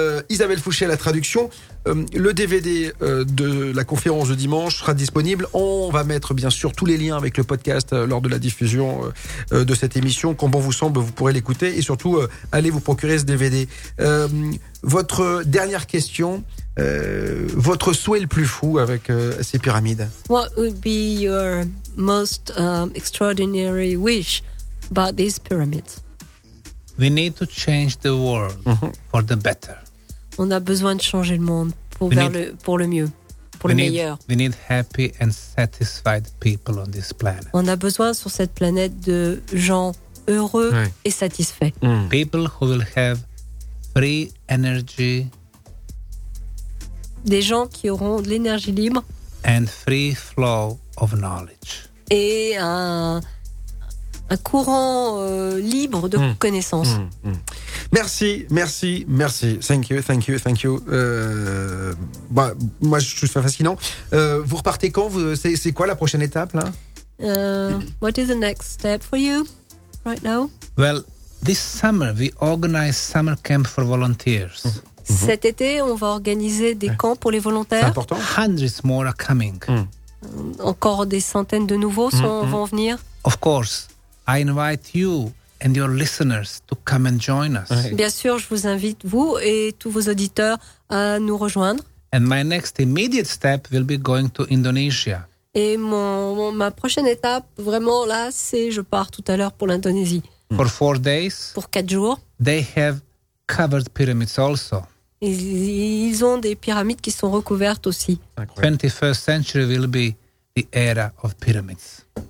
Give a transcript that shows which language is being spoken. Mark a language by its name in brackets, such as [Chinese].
[French] Isabelle Fouché à la traduction. Le DVD de la conférence de dimanche sera disponible. On va mettre bien sûr tous les liens avec le podcast lors de la diffusion de cette émission. Quand bon vous semble, vous pourrez l'écouter et surtout allez vous procurer ce DVD. Votre dernière question, votre souhait le plus fou avec ces pyramides. [English] What would be your most extraordinary wish about these pyramids? We need to change the world for the better. [French] On a besoin de changer le monde pour le meilleur. [English] We need happy and satisfied people on this planet. [French] On a besoin sur cette planète de gens heureux et satisfaits. [English] People who will have free energy. [French] Des gens qui auront de l'énergie libre. [English] And free flow of knowledge. [French] Et un courant libre de connaissances. Merci. [English] Thank you. [French] Moi, je trouve ça fascinant. Vous repartez quand c'est quoi la prochaine étape, là? [English] What is the next step for you right now? Well, this summer, we organize summer camp for volunteers. [French] Cet été, on va organiser des camps pour les volontaires. C'est important. [English] Hundreds more are coming. [French] Encore des centaines de nouveaux vont venir. [English] Of course. I invite you and your listeners to come and join us. [French] Bien sûr, je vous invite, vous et tous vos auditeurs, à nous rejoindre. [English] And my next immediate step will be going to Indonesia. [French] Et ma prochaine étape, vraiment là, c'est je pars tout à l'heure pour l'Indonésie. [English] For 4 days. [French] Pour 4 jours. [English] They have covered pyramids also. [French] Ils ont des pyramides qui sont recouvertes aussi. [English] The 21st century will be the era of pyramids.